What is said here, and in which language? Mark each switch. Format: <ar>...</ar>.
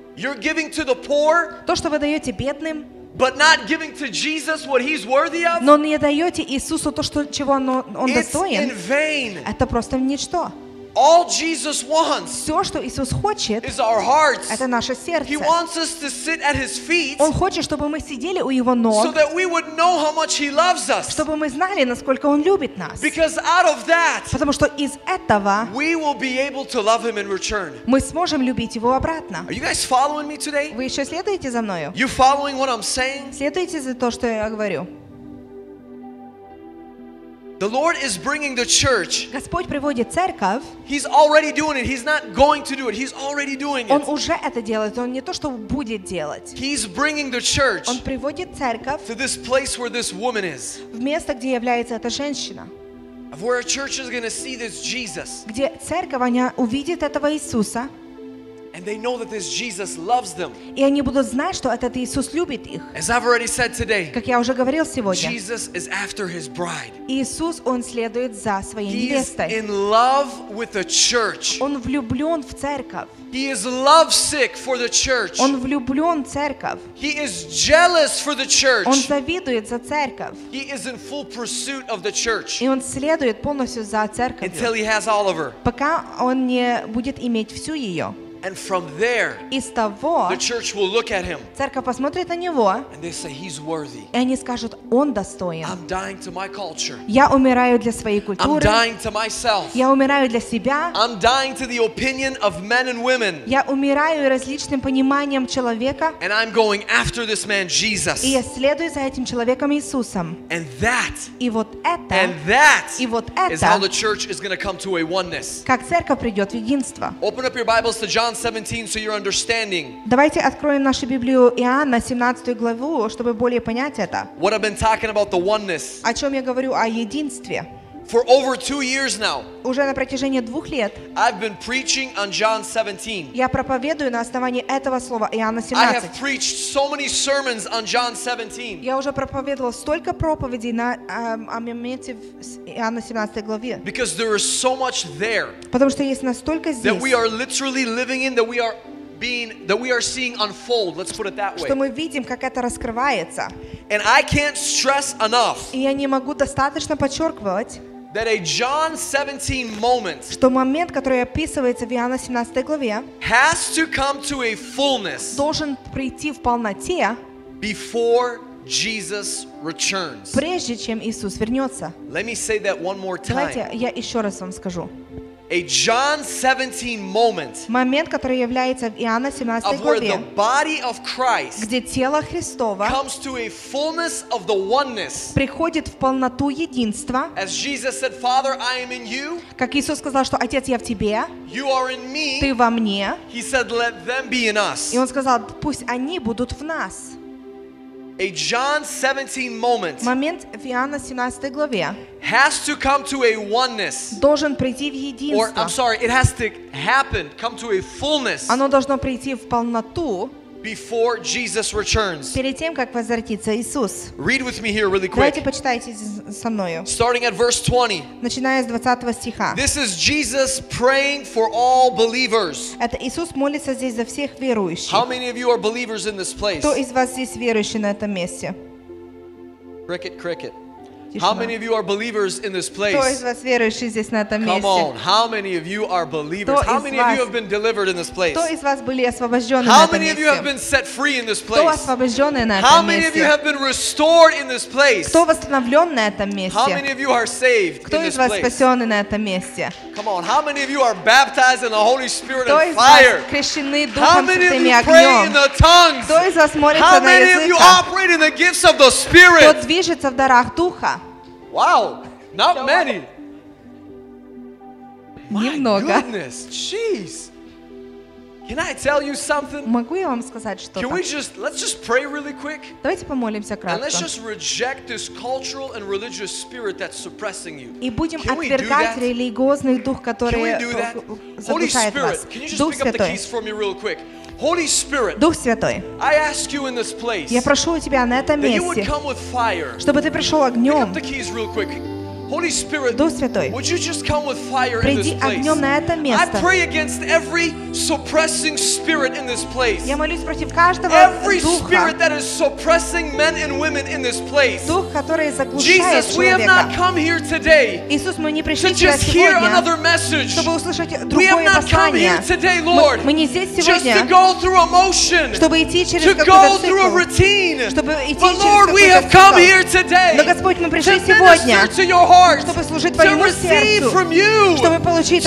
<en>You're giving to the poor,</en> <ru>то, что вы даете бедным,</ru> <en>but not giving to Jesus what he's worthy of,</en> <ru>но не даете Иисусу то, что, чего он достоин,</ru> <en>it's in vain.</en> <ru>Это просто ничто.</ru> <en>All Jesus wants,</en> <ru>все, что Иисус хочет,</ru> <en>is our hearts.</en> <ru>Это наше сердце.</ru> <en>He wants us to sit at his feet,</en> <ru>он хочет, чтобы мы сидели у его ног,</ru> <en>so that we would know how much he loves us,</en> <ru>чтобы мы знали, насколько он любит нас.</ru> <en>Because out of that,</en> <ru>потому что из этого,</ru> <en>we will be able to love him in return.</en> <ru>Мы сможем любить его обратно.</ru> <en>Are you guys following me today?</en> <ru>Вы еще следуете за мною?</ru> <en>You following what I'm saying?</en> <ru>Следуете за то, что я говорю?</ru> <en>The Lord is bringing the church.</en> <ru>Господь приводит церковь.</ru> <en>He's already doing it. He's not going to do it. He's already doing it.</en> <ru>Он уже это делает. Он не то, что будет делать.</ru> <en>He's bringing the church.</en> <ru>Он приводит церковь.</ru> <en>To this place where this woman is.</en> <ru>В место, где является эта женщина.</ru> <en>Of where a church is going to see this Jesus.</en> <ru>Где церковь увидит этого Иисуса.</ru> <en>And they know that this Jesus loves them.</en> <ru>И они будут знать, что этот Иисус любит их.</ru> <en>As I've already said today.</en> <ru>Как я уже говорил сегодня.</ru> <en>Jesus is after his bride.</en> <ru>Иисус он следует за своей невестой.</ru> <en>He is in love with the church.</en> <ru>Он влюблён в церковь.</ru> <en>He is lovesick for the church.</en> <ru>Он влюблён в церковь.</ru> <en>He is jealous for the church.</en> <ru>Он завидует за церковь.</ru> <en>He is in full pursuit of the church.</en> <ru>И он следует полностью за церковью.</ru> <en>Until he has all of her.</en> <ru>Пока он не будет иметь всю её.</ru> <en>And from there,</en> <ru>того,</ru> <en>the church will look at him.</en> <ru>Церковь посмотрит на него,</ru> <en>and they say he's worthy.</en> <ru>И они скажут, он достоин.</ru> <en>I'm dying to my culture.</en> <ru>Я умираю для своей культуры.</ru> <en>I'm dying to myself.</en> <ru>Я умираю для себя.</ru> <en>I'm dying to the opinion of men and women.</en> <ru>Я умираю различным пониманиям человека.</ru> <en>And I'm going after this man Jesus.</en> <ru>И я следую за этим человеком Иисусом.</ru> <en>And that.</en> <ru>И вот это.</ru> <en>And that.</en> <ru>И вот это.</ru> <en>Is how the church is going to come to a oneness.</en> <ru>Как церковь придёт в единство.</ru> <en>Open up your Bibles to John 17, so you're understanding.</en> <ru>Давайте откроем нашу Библию Иоанна 17 главу, чтобы более понять это.</ru> <en>What I've been talking about the oneness.</en> <ru>О чем я говорю о единстве.</ru> <en>For over 2 years now.</en> <ru>Уже на протяжении 2 лет.</ru> <en>I've been preaching on John 17.</en> <ru>Я проповедую на основании этого слова Иоанна 17.</ru> <en>I have preached so many sermons on John 17.</en> <ru>Я уже проповедовал столько проповедей на о моменте в Иоанна 17 главе.</ru> <en>Because there is so much there.</en> <ru>Потому что есть настолько здесь.</ru> <en>That we are literally living in, that we are seeing unfold, let's put it that way.</en> <ru>Что мы видим, как это раскрывается.</ru> <en>And I can't stress enough.</en> <ru>И я не могу достаточно подчёркивать.</ru> <en>That a John 17 moment.</en> <ru>Что момент, который описывается в Иоанна 17 главе.</ru> <en>Has to come to a fullness.</en> <ru>Должен прийти в полноте.</ru> <en>Before Jesus returns.</en> <ru>Прежде чем Иисус вернётся.</ru> <en>Let me say that one more time.</en> <ru>Давайте я ещё раз вам скажу.</ru> <en>A John 17 moment.</en> <ru>Момент, который является в Иоанна 17 главе.</ru> <en>Of where the body of Christ.</en> <ru>Где тело Христово.</ru> <en>Comes to a fullness of the oneness.</en> <ru>Приходит в полноту единства.</ru> <en>As Jesus said, Father, I am in you.</en> <ru>Как Иисус сказал, что Отец, я в тебе.</ru> <en>You are in me.</en> <ru>Ты во мне.</ru> <en>He said, let them be in us.</en> <ru>И он сказал, пусть они будут в нас.</ru> <en>A John 17 moment.</en> <ru>Момент в Иоанна 17 главе.</ru> <en>Has to come to a oneness.</en> <ru>Должен прийти в единство.</ru> <en>Or I'm sorry, it has to happen, come to a fullness.</en> <ru>Оно должно прийти в полноту.</ru> <en>Before Jesus returns.</en> <ru>Перед тем как возвратится Иисус.</ru> <en>Read with me here really quick.</en> <ru>Давайте почитайте со мною.</ru> <en>Starting at verse 20.</en> <ru>Начиная с 20 стиха.</ru> <en>This is Jesus praying for all believers.</en> <ru>Это Иисус молится здесь за всех верующих.</ru> <en>How many of you are believers in this place?</en> <ru>Кто из вас здесь верующий на этом месте?</ru> <en>Cricket, cricket. How many of you are believers in this place?</en> <ru>Кто из вас верующий здесь на этом месте?</ru> <en>Come on. How many of you are believers? How many of you have been delivered in this place?</en> <ru>Кто из вас были освобождены на этом месте?</ru> <en>How many of you have been set free in this place?</en> <ru>Кто освобождён на этом месте?</ru> <en>How many of you have been restored in this place?</en> <ru>Кто восстановлён на этом месте?</ru> <en>How many of you are saved?</en> <ru>Кто из вас спасённы на этом месте?</ru> <en>Come on. How many of you are baptized in the Holy Spirit and fire?</en> <ru>Крещены Духом Святым и огнём?</ru> <en>How many of you pray in the tongues?</en> <ru>Кто из вас молится на языках?</ru> <en>How many of you operate in the gifts of the Spirit?</en> <ru>Кто движется в дарах Духа?</ru> <en>Wow, not many. My</en> <ru>немного.</ru> <en>Goodness, jeez. Can I tell you something?</en> <ru>Могу я вам сказать что-то?</ru> <en>Can we just, let's just pray really quick.</en> <ru>Давайте помолимся кратко.</ru> <en>And let's just reject this cultural and religious spirit that's suppressing you.</en> <ru>И будем отвергать религиозный дух, который задушает вас.</ru> <en>Holy Spirit, can you just pick up the keys for me real quick? Holy Spirit.</en> <ru>Дух Святой.</ru> <en>I ask you in this place.</en> <ru>Я прошу у тебя на этом месте.</ru> <en>That you would come with fire.</en> <ru>Чтобы ты пришёл огнём.</ru> <en>Pick up the keys real quick. Holy Spirit,</en> <ru>Дух Святой,</ru> <en>would you just come with fire in this place?</en> <ru>На это место.</ru> <en>I pray against every suppressing spirit in this place.</en> <ru>Я молюсь против каждого</ru> <en>every</en> <ru>духа.</ru> <en>Spirit that is suppressing men and women in this place.</en> <ru>Дух, который заглушает</ru> <en>Jesus,</en> <ru>человека.</ru> <en>We have not come here today</en> <ru>Иисус, мы не пришли</ru> <en>to just</en> <ru>сегодня,</ru> <en>hear another message.</en> <ru>Чтобы услышать другое</ru> <en>we have not</en> <ru>послание.</ru> <en>Come here today, Lord,</en> <ru>мы не здесь сегодня,</ru> <en>just to go through a motion,</en> <ru>чтобы идти через</ru> <en>to go through a routine.</en> <ru>Чтобы идти</ru> <en>but</en> <ru>через</ru> <en>Lord, we have come here today</en> <ru>но, Господь, мы пришли</ru> <en>to</en> <ru>сегодня.</ru> <en>Minister to your heart.</en> <ru>Чтобы служить твоему сердцу, чтобы получить</ru>